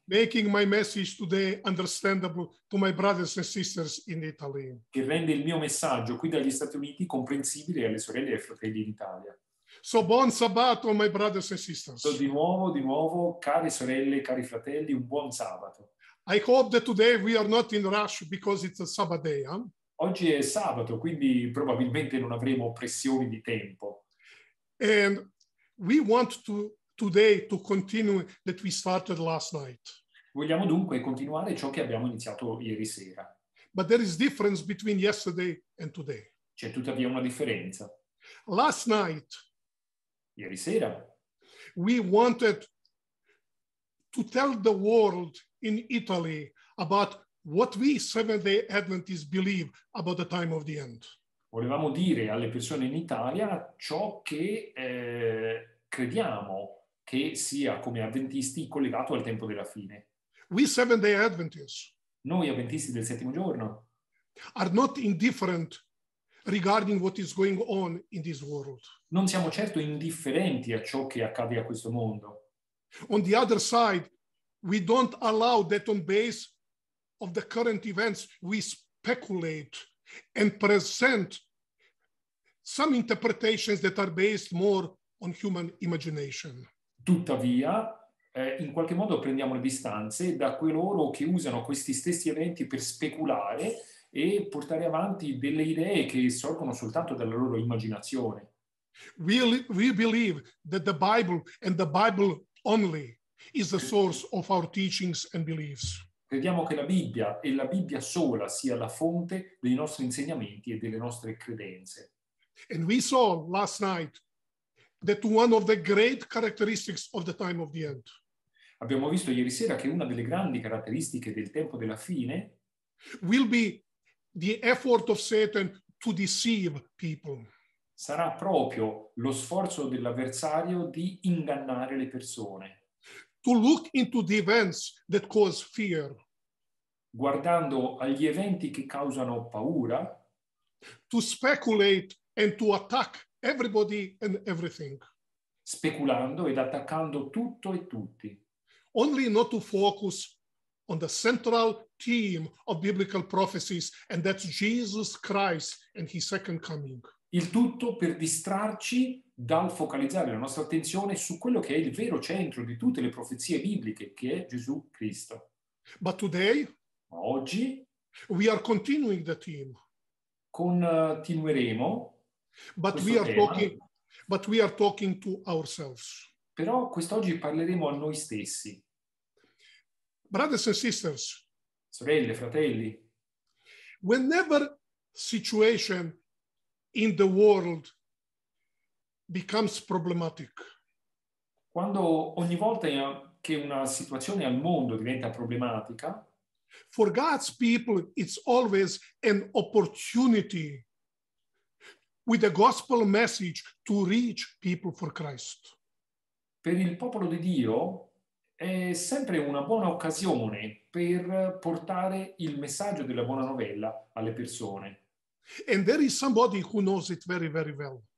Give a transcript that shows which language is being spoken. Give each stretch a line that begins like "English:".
English: Making my message today understandable to my brothers and sisters in Italy.
Italian: Che rende il mio messaggio qui dagli Stati Uniti comprensibile alle sorelle e ai fratelli in Italia.
English: So
Italian: buon sabato,
English: my brothers and sisters.
Italian: So di nuovo, cari sorelle, cari fratelli, un buon sabato.
English: I hope that today we are not in rush because it's a Sabbath day, huh?
Italian: Oggi è sabato, quindi probabilmente non avremo pressioni di tempo.
English: And we want to today to continue that we started last night.
Italian: Vogliamo dunque continuare ciò che abbiamo iniziato ieri sera.
English: But there is difference between yesterday and today.
Italian: C'è tuttavia una differenza.
English: Last night,
Italian: ieri sera,
English: we wanted to tell the world in Italy about what we Seventh-day Adventists believe about the time of the end.
Italian: Volevamo dire alle persone in Italia ciò che crediamo che sia come avventisti collegato al tempo della fine.
English: We Seventh-day Adventists.
Italian: Noi avventisti del settimo giorno.
English: Are not indifferent regarding what is going on in this world.
Italian: Non siamo certo indifferenti a ciò che accade a questo mondo.
English: On the other side, we don't allow that on base of the current events we speculate and present some interpretations that are based more on human imagination.
Italian: Tuttavia, in qualche modo prendiamo le distanze da coloro che usano questi stessi eventi per speculare e portare avanti delle idee che sorgono soltanto dalla loro immaginazione.
English: We believe that the Bible and the Bible only is the source of our teachings and beliefs.
Italian: Crediamo che la Bibbia e la Bibbia sola sia la fonte dei nostri insegnamenti e delle nostre credenze.
English: And we saw last night that one of the great characteristics of the time of the end.
Italian: Abbiamo visto ieri sera che una delle grandi caratteristiche del tempo della fine
English: will be the effort of Satan to deceive people.
Italian: Sarà proprio lo sforzo dell'avversario di ingannare le persone.
English: To look into the events that cause fear.
Italian: Guardando agli eventi che causano paura.
English: To speculate and to attack everybody and everything.
Italian: Speculando ed attaccando tutto e tutti.
English: Only not to focus on the central theme of biblical prophecies, and that's Jesus Christ and his second coming.
Italian: Il tutto per distrarci dal focalizzare la nostra attenzione su quello che è il vero centro di tutte le profezie bibliche, che è Gesù Cristo.
English: But today,
Italian: ma oggi,
English: we are continuing the theme.
Italian: Continueremo.
English: But we are talking to ourselves.
Italian: Però quest'oggi parleremo a noi stessi.
English: Brothers and sisters,
Italian: sorelle, fratelli,
English: whenever situation in the world becomes problematic.
Italian: Quando ogni volta che una situazione al mondo diventa problematica,
English: for God's people it's always an opportunity with a gospel message to reach people for Christ.
Italian: per il popolo di Dio è sempre una buona occasione per portare il messaggio della buona novella alle persone.
English: And there is somebody who knows it very, very well.